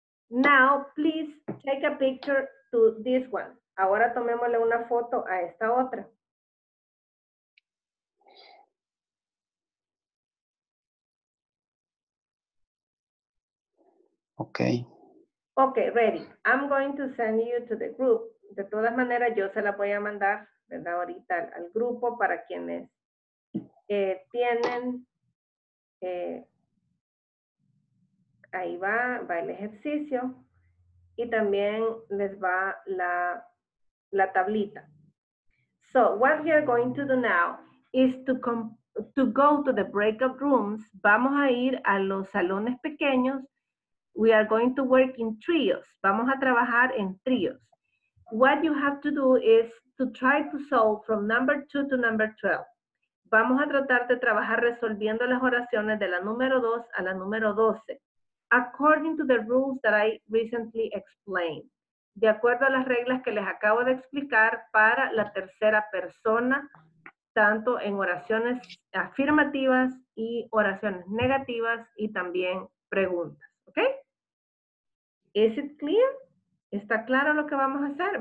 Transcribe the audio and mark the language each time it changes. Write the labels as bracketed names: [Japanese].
[English] Now, please take a picture to this one. [Spanish] Ahora tomémosle una foto a esta otra. [English] Okay. Okay, ready. I'm going to send you to the group. [Spanish] De todas maneras, yo se la voy a mandar, ¿verdad? Ahorita al grupo para quienes tienen. Ahí va el ejercicio. Y también les va la tablita. [English] So, what we are going to do now is to go to the breakout rooms. [Spanish] Vamos a ir a los salones pequeños. [English] We are going to work in trios. [Spanish] Vamos a trabajar en tríos. [English] What you have to do is to try to solve from number 2 to number 12. [Spanish] Vamos a tratar de trabajar resolviendo las oraciones de la número 2 a la número 12. [English] According to the rules that I recently explained. [Spanish] De acuerdo a las reglas que les acabo de explicar para la tercera persona, tanto en oraciones afirmativas y oraciones negativas y también preguntas. ¿Ok? [English] Is it clear? [Spanish] ¿Está claro lo que vamos a hacer?